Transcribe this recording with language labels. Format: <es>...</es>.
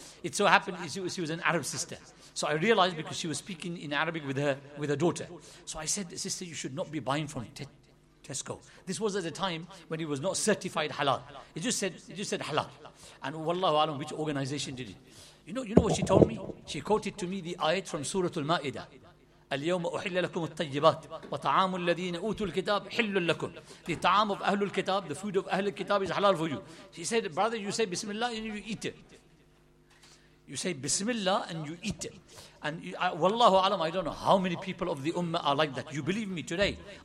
<en>It so happened she was an Arab sister. So I realized because she was speaking in Arabic with her daughter. So I said, sister, you should not be buying from Tesco. This was at a time when it was not certified halal. It just said halal. And wallahu alam, which organization did it? You know what she told me? She quoted to me the ayat from Surah Al-Ma'idah.</en> <ar>اليوم أحل لكم الطيبات وطعام الذين أوتوا الكتاب حل لكم.</ar> <en>The طعام of أهل الكتاب, the food of أهل الكتاب is halal for you. She said, brother, you say Bismillah and you eat it. You say Bismillah and you eat it. And wallahu alam, I don't know how many people of the ummah are like that. You believe me today.</en>